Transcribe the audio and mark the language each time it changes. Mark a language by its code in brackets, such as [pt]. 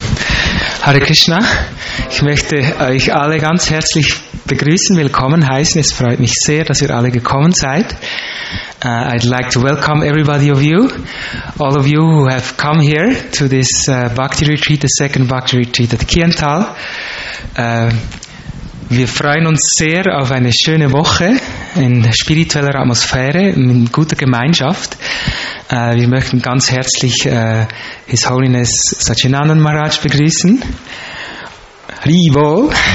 [de] Hare Krishna, ich möchte euch alle ganz herzlich begrüßen, willkommen heißen. Es freut mich sehr, dass ihr alle gekommen seid. [en] I'd like to welcome everybody of you, all of you who have come here to this Bhakti Retreat, the second Bhakti Retreat at Kiental. [de] Wir freuen uns sehr auf eine schöne Woche in spiritueller Atmosphäre, in guter Gemeinschaft. Wir möchten ganz herzlich His Holiness Satchinandan Maharaj begrüßen. Rivo!